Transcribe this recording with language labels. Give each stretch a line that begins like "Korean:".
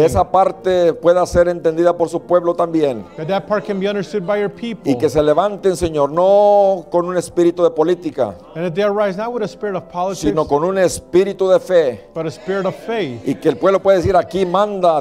Spanish: Que esa parte pueda ser entendida por su pueblo también.
English: That that part can be understood by your people.
Spanish: Y que se levanten, Señor, no con un espíritu de política.
English: And that they arise not with a spirit of politics.
Spanish: Sino con un espíritu de fe.
English: But a spirit of faith.
Spanish: Y que el pueblo pueda decir aquí manda.